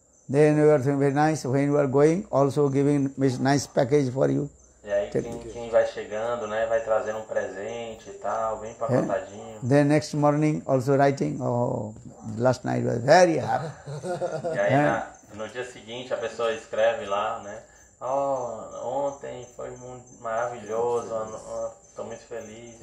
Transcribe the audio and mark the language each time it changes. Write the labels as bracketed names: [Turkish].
[English] Then you are doing very nice when you are going, also giving nice package for you. [Portuguese] E aí quem vai chegando, né? Vai trazer um presente e tal, bem pacotadinho. [English] Then next morning also writing, oh, last night was very happy. [Portuguese] E aí no dia seguinte a pessoa escreve lá, né? Oh, ontem foi muito maravilhoso, estou muito feliz.